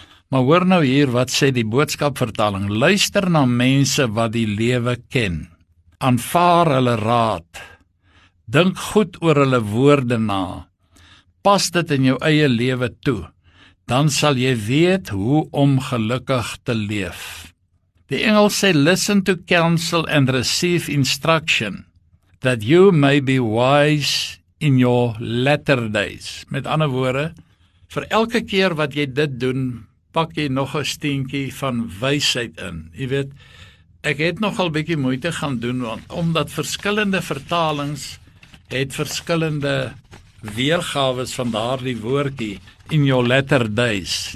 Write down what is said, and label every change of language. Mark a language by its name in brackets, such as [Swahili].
[Afrikaans] Maar hoor nou hier, wat sê die boodskapvertaling, luister na mense wat die lewe ken, aanvaar hulle raad, dink goed oor hulle woorde na, pas dit in jou eie lewe toe, dan sal jy weet hoe om gelukkig te leef. Die Engels sê, [English] listen to counsel and receive instruction, that you may be wise in your latter days. [Afrikaans] Met ander woorde, vir elke keer wat jy dit doen, pak jy nog 'n steentjie van wysheid in. Jy weet, ek het nogal bietjie moeite gaan doen, want omdat verskillende vertalings het verskillende weergawes van daardie woordjie in [English] your latter days.